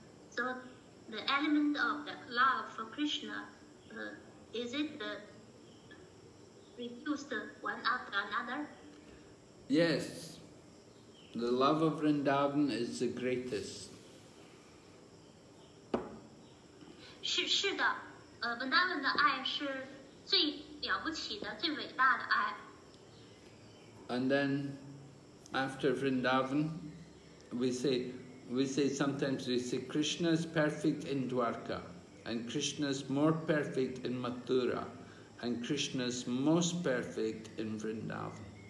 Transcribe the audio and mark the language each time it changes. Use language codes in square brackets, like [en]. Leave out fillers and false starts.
[en] So the element of the love for Krishna, is it reduced one after another? Yes, the love of Vrindavan is the greatest. [zh] 是的，文达文的爱是最了不起的、最伟大的爱。 [en] And then, after Vrindavan, we say sometimes we say Krishna is perfect in Dwarka, and Krishna is more perfect in Mathura, and Krishna is most perfect in Vrindavan.